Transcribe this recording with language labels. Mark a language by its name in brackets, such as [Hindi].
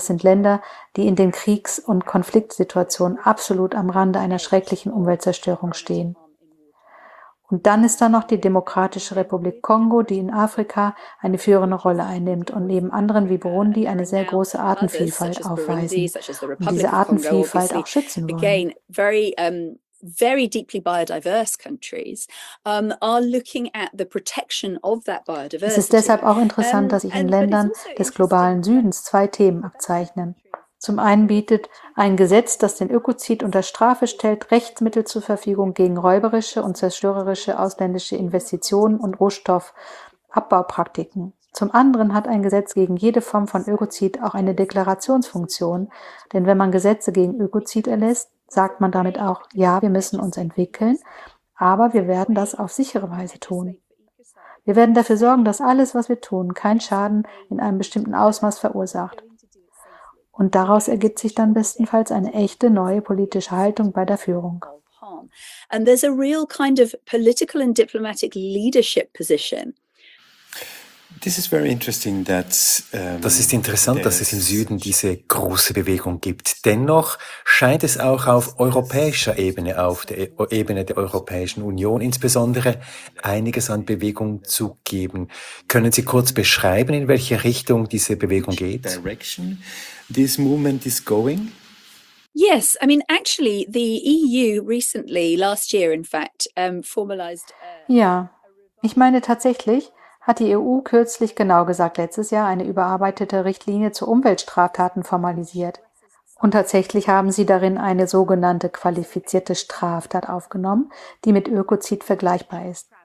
[German] Das sind Länder, die in den Kriegs- und Konfliktsituationen absolut am Rande einer schrecklichen Umweltzerstörung stehen. Und dann ist da noch die Demokratische Republik Kongo, die in Afrika eine führende Rolle einnimmt und neben anderen wie Burundi eine sehr große Artenvielfalt aufweisen und diese Artenvielfalt auch schützen wollen. [English] Very deeply biodiverse countries are looking at the protection of that biodiversity. [German] Es ist deshalb auch interessant, dass sich in Ländern des globalen Südens zwei Themen abzeichnen. Zum einen bietet ein Gesetz, das den Ökozid unter Strafe stellt, Rechtsmittel zur Verfügung gegen räuberische und zerstörerische ausländische Investitionen und Rohstoffabbaupraktiken. Zum anderen hat ein Gesetz gegen jede Form von Ökozid auch eine Deklarationsfunktion, denn wenn man Gesetze gegen Ökozid erlässt, sagt man damit auch, ja, wir müssen uns entwickeln, aber wir werden das auf sichere Weise tun. Wir werden dafür sorgen, dass alles, was wir tun, keinen Schaden in einem bestimmten Ausmaß verursacht. Und daraus ergibt sich dann bestenfalls eine echte neue politische Haltung bei der Führung. [English] And there's a real kind of political and diplomatic leadership position. This is very interesting that, [German] das ist interessant, dass es im Süden diese große Bewegung gibt. Dennoch scheint es auch auf europäischer Ebene, auf der Ebene der Europäischen Union insbesondere, einiges an Bewegung zu geben. Können Sie kurz beschreiben, in welche Richtung diese Bewegung geht? [English] Direction this movement is going? Yes, I mean, actually, the EU recently, last year in fact, formalized. [German] Ja, ich meine tatsächlich, hat die EU kürzlich, genau gesagt letztes Jahr, eine überarbeitete Richtlinie zu Umweltstraftaten formalisiert. Und tatsächlich haben sie darin eine sogenannte qualifizierte Straftat aufgenommen, die mit Ökozid vergleichbar ist.